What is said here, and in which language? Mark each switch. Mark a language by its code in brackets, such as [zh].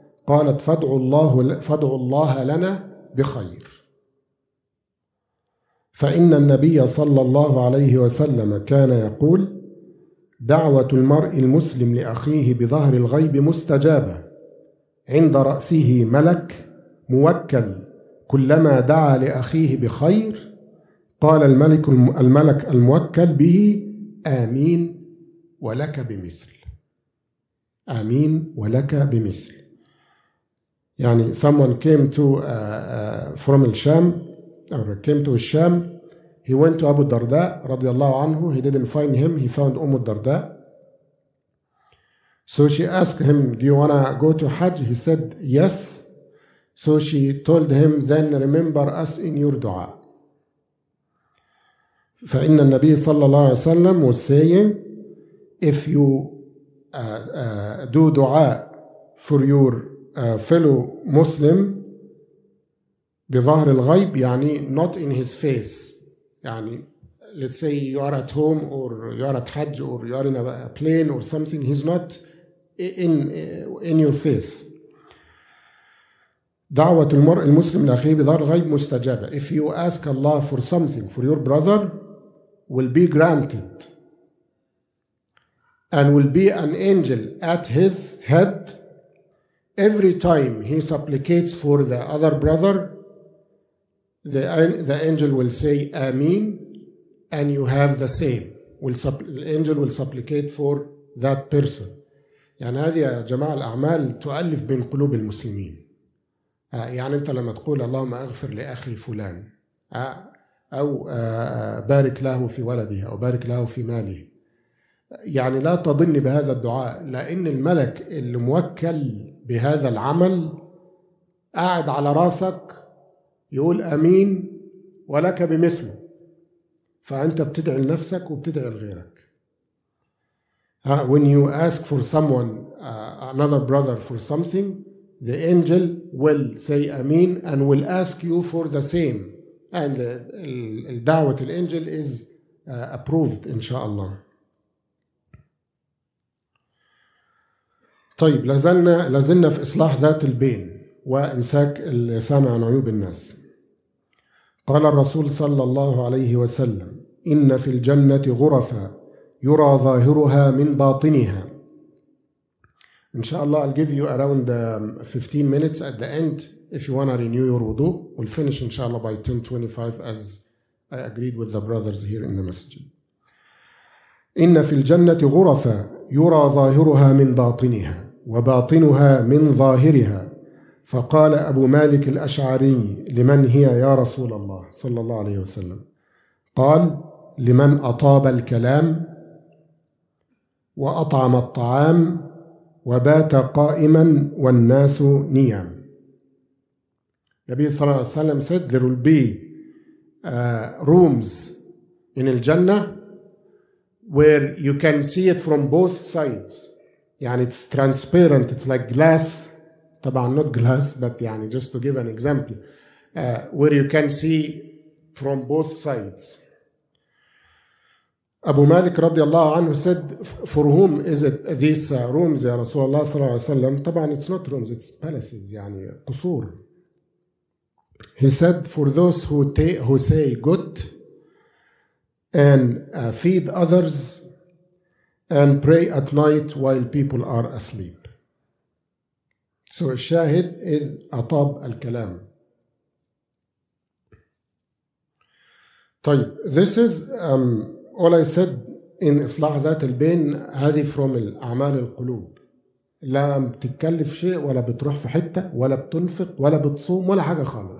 [ar] قالت فادعوا الله لنا بخير، فإن النبي صلى الله عليه وسلم كان يقول دعوة المرء المسلم لأخيه بظهر الغيب مستجابة، عند رأسه ملك موكل، كلما دعا لأخيه بخير قال الملك الموكل به آمين ولك بمثل. آمين ولك بمثل. [en] يعني someone came to from al-Sham or came to al-Sham. He went to Abu Darda رضي الله عنه. He didn't find him. He found Umm al-Darda. So she asked him, do you want to go to Hajj? He said, yes. So she told him, then remember us in your dua. [ar] فإن النبي صلى الله عليه وسلم [en] was saying, if you do dua for your fellow Muslim [ar] بظهر الغيب, [en] يعني not in his face, يعني let's say you are at home or you are at Hajj or you are in a plane or something, he's not in your face. [ar] دعوة المرء المسلم لأخيه بظهر الغيب مستجابة. [en] If you ask Allah for something for your brother, will be granted and will be an angel at his head every time he supplicates for the other brother. The angel will say, Ameen, and you have the same. Angel will supplicate for that person. [ar] يعني هذه يا جماعة الأعمال تؤلف بين قلوب المسلمين. يعني أنت لما تقول اللهم أغفر لأخي فلان أو بارك له في ولده أو بارك له في ماله. يعني لا تظن بهذا الدعاء لأن الملك الموكل بهذا العمل قاعد على راسك يقول أمين ولك بمثله. فأنت بتدعي لنفسك وبتدعي لغيرك. [en] When you ask for someone, another brother for something, the angel will say Ameen and will ask you for the same. And the da'wah of the angel is approved, inshallah. [ar] طيب لازلنا في إصلاح ذات البين وإمساك اللسان عن عيوب الناس. قال الرسول صلى الله عليه وسلم إن في الجنة غرفة يرى ظاهرها من باطنها. [en] إن شاء الله I'll give you around 15 minutes at the end if you want to renew your wudu. We'll finish إن شاء الله by 10:25 as I agreed with the brothers here in the masjid. [ar] إن في الجنة غرفة يرى ظاهرها من باطنها وباطنها من ظاهرها. فقال أبو مالك الأشعري لمن هي يا رسول الله صلى الله عليه وسلم؟ قال لمن أطاب الكلام وأطعم الطعام وبات قائما والناس نيام. النبي صلى الله عليه وسلم [en] said there will be rooms in الجنة where you can see it from both sides. يعني it's transparent, it's like glass. طبعا not glass but يعني just to give an example where you can see from both sides. Abu Malik radiallahu anhu said, for whom is it these rooms, ya Rasulullah sallallahu alayhi wa sallam? طبعاً it's not rooms, it's palaces, [ar] يعني قصور. [en] He said, for those who say good and feed others and pray at night while people are asleep. [ar] So الشاهد is أطاب الكلام. [en] طيب, this is... All I said in [ar] إصلاح ذات البين هذه from الأعمال القلوب. لا بتتكلف شيء ولا بتروح في حتة ولا بتنفق ولا بتصوم ولا حاجة خالص.